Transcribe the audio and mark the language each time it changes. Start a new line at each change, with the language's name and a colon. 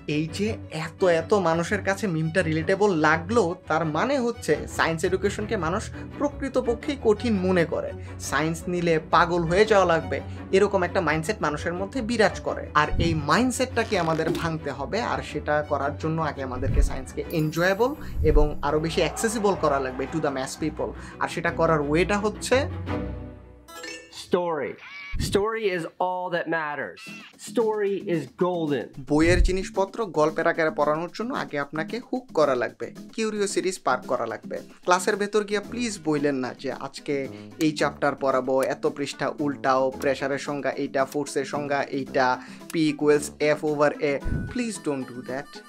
Bangla: এই যে এত এত মানুষের কাছে মিমটা রিলেটেবল লাগলো, তার মানে হচ্ছে সায়েন্স এডুকেশনকে মানুষ প্রকৃতপক্ষেই কঠিন মনে করে, সায়েন্স নিলে পাগল হয়ে যাওয়া লাগবে, এরকম একটা মাইন্ডসেট মানুষের মধ্যে বিরাজ করে। আর এই মাইন্ডসেটটাকে আমাদের ভাঙতে হবে, আর সেটা করার জন্য আগে আমাদেরকে সায়েন্সকে এনজয়েবল এবং আরো বেশি অ্যাক্সেসিবল করা লাগবে
English: To the mass people.
Bangla: আর সেটা করার ওয়েটা হচ্ছে story.
English: Story is all that matters. Story is golden.
Bangla: বইয়ের জিনিসপত্র গল্পের আকারে পড়ানোর জন্য আগে আপনাকে হুক করা লাগবে, কিউরিওসিটি স্পার্ক করা লাগবে। ক্লাসের ভেতর গিয়ে প্লিজ বইলেন না যে আজকে এই চ্যাপ্টার পড়াবো, এত পৃষ্ঠা উল্টাও, প্রেসারের সংজ্ঞা এইটা, ফোর্সের সংজ্ঞা এইটা, P equals F over a.
English: Please don't do that.